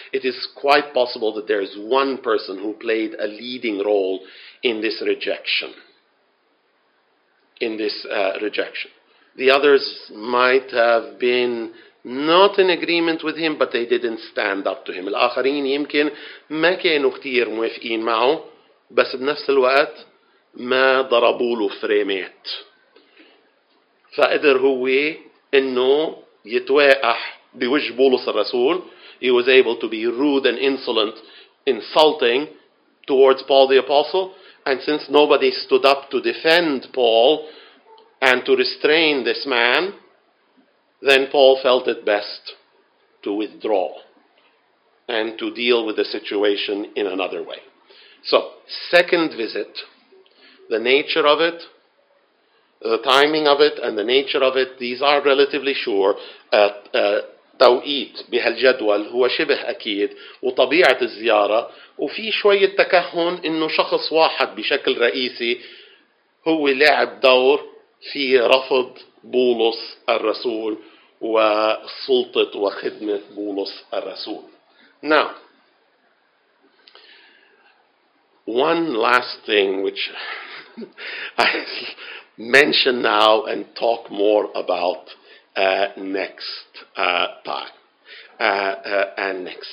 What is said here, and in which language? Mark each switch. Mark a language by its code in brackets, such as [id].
[en] It is quite possible that there is one person who played a leading role in this rejection. The others might have been not in agreement with him, but they didn't stand up to him. [ar] الآخرين يمكن ما كانوا كتير موافقين معه, بس بنفس الوقت ما ضربوا له فريمات. فقدر هو إنه يتواقح بوجه بولس الرسول. [en] He was able to be rude and insolent, insulting towards Paul the Apostle. And since nobody stood up to defend Paul and to restrain this man, then Paul felt it best to withdraw and to deal with the situation in another way. So, second visit, the nature of it, the timing of it, and the nature of it, these are relatively sure. [ar] توقيت بهالجدول هو شبه أكيد وطبيعة الزيارة وفي شوية تكهن إنه شخص واحد بشكل رئيسي هو لعب دور في رفض بولس الرسول وسلطة وخدمة بولس الرسول. [en] Now, one last thing which I mention now and talk more about next time.